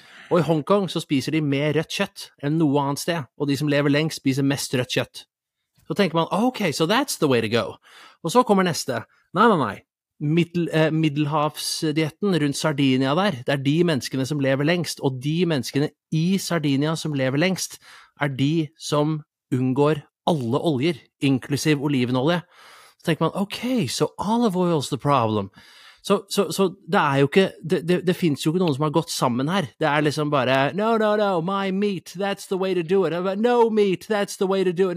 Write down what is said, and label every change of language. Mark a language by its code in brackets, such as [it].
[no] Og i Hongkong så spiser de mer rødt kjøtt enn noe annet sted, og de som lever lengst spiser mest rødt kjøtt. Så tenker man, [en] ok, so that's the way to go. [no] Og så kommer neste, nei, Middelhavsdietten rundt Sardinia der, det er de menneskene som lever lengst, og de menneskene i Sardinia som lever lengst, er de som unngår alle oljer, inklusiv olivenolje. Så tenker man, [en] ok, so olive oil is the problem. [no] Så det er jo ikke, det finnes jo ikke noen som har gått sammen her. Det er liksom bare, [en] no, my meat, that's the way to do it. No meat, that's the way to do it.